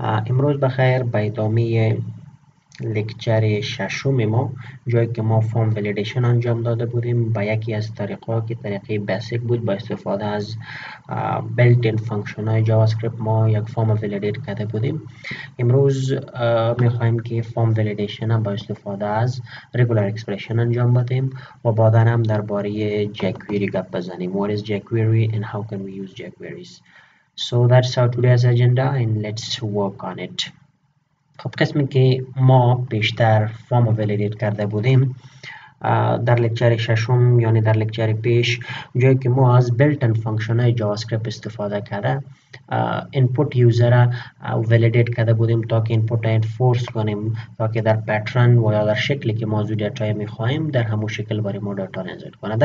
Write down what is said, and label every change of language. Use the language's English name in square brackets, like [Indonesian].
[Persian] امروز بخير با ادامه لکچر ششم ما، جایی که ما فرم ولیدیشن انجام داده بودیم با یکی از طریقه ها که طریقه بیسیک بود، با استفاده از بلت ان فانکشن های جاوا اسکریپت ما یک فرم ولیدیت کرده بودیم. امروز می خواهیم که فرم ولیدیشن با استفاده از رگولر اکسپرشن انجام بدیم و بعدا هم درباره جکوئری گپ بزنیم. [English] What is jQuery and how can we use jQuery's. So that's our today's agenda and let's work on it. [Persian] خب قسمی که ما پیشتر فرم ولیدیت کرده بودیم در لکچر ششم، یعنی در لکچر پیش، جایی که ما از بلتن فانکشن های جاوا اسکریپت استفاده کرده اینپوت یوزر را ولیدیت کرده بودیم تا که اینپوت را انفورس کنیم، تا که در پترن و یا در شکلی که ما از دیتا می خواهیم در همون شکل برای ما دیتا انزایت کنه.